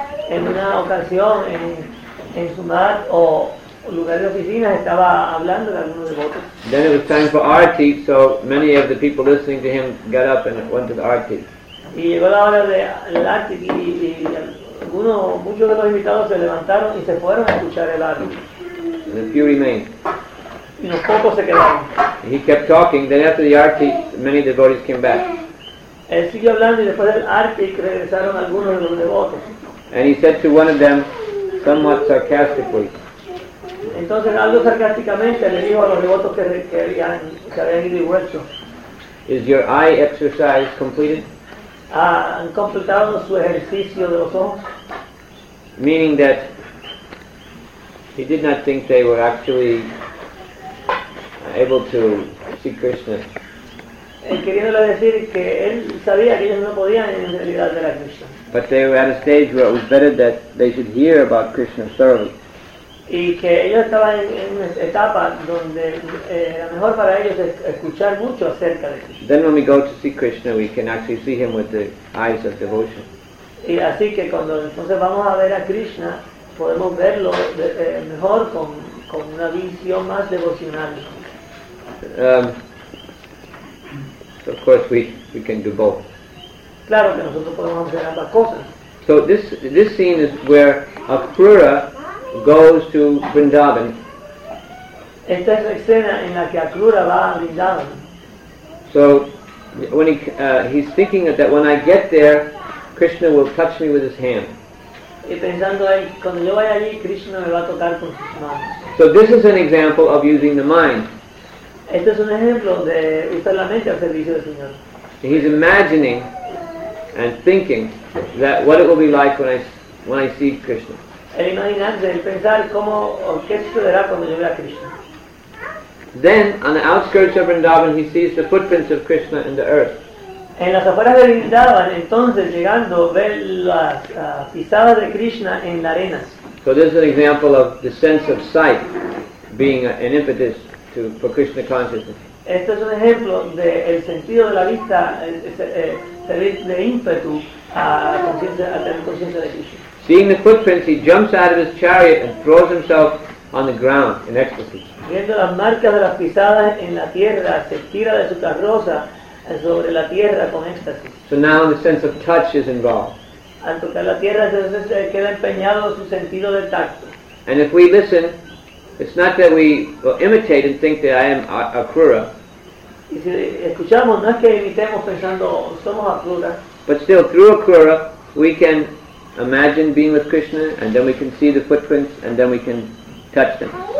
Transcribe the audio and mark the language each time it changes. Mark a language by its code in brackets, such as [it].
[es] En una ocasión en su mat o lugar de oficina estaba hablando con algunos devotos. [en] Then it was time for arti, so many of the people listening to him got up and went to the arti. [es] Y llegó la hora de arti y muchos de los invitados se levantaron y se fueron a escuchar el arti. [en] And a few remained. [es] Y los pocos se quedaron. [en] He kept talking. Then after the arti, many devotees came back. [es] Él siguió hablando y después del arti regresaron algunos de los devotos. [en] And he said to one of them, somewhat sarcastically. [es] Entonces algo sarcásticamente le dijo a los devotos que habían ido y vuelto. [en] Is your eye exercise completed? [es] Han completado su ejercicio de los ojos. [en] Meaning that he did not think they were actually able to see Krishna. [es] Queriéndole decir que él sabía que ellos no podían en realidad ver a Krishna. [en] But they were at a stage where it was better that they should hear about Krishna thoroughly. [es] Y que ellos estaban en una etapa donde era mejor para ellos escuchar mucho acerca de Krishna. [en] Then when we go to see Krishna, we can actually see him with the eyes of devotion. [es] Y así que cuando entonces vamos a ver a Krishna, podemos verlo mejor con una visión más devocional. [en] Of course we can do both. [es] Claro que nosotros podemos hacer ambas cosas. [en] So this scene is where Akrura goes to Vrindavan. [es] Esta es la escena en la que Akrura va a Vrindavan. [en] So when he's thinking that when I get there, Krishna will touch me with his hand. [es] Y pensando ahí, cuando yo vaya allí, Krishna me va a tocar con sus manos. [en] So this is an example of using the mind. [es] Este es un ejemplo de usar la mente al servicio del Señor. [en] He's imagining and thinking that what it will be like when I see Krishna. [es] El imaginarse, el pensar cómo o qué sucederá cuando yo vea a Krishna. [en] Then, on the outskirts of Vrindavan, he sees the footprints of Krishna in the earth. [es] En las afueras de Vrindavan, entonces, llegando, ve las pisadas de Krishna en la arena. [en] So this is an example of the sense of sight being an impetus to, for Krishna consciousness. [es] Este es un ejemplo de el sentido de la vista servir de ímpetu a tener conciencia de Krishna. [en] Seeing the footprints, he jumps out of his chariot and throws himself on the ground in ecstasy. [es] Viendo las marcas de las pisadas en la tierra, se tira de su carroza sobre la tierra con éxtasis. [en] So now the sense of touch is involved. [es] Al tocar la tierra, entonces se queda empeñado su sentido de tacto. [en] And if we listen, it's not that we will imitate and think that I am Akrura. [es] Y si escuchamos, no es que imitemos pensando somos Akrura. [en] But still, through Akrura, we can imagine being with Krishna, and then we can see the footprints, and then we can touch them.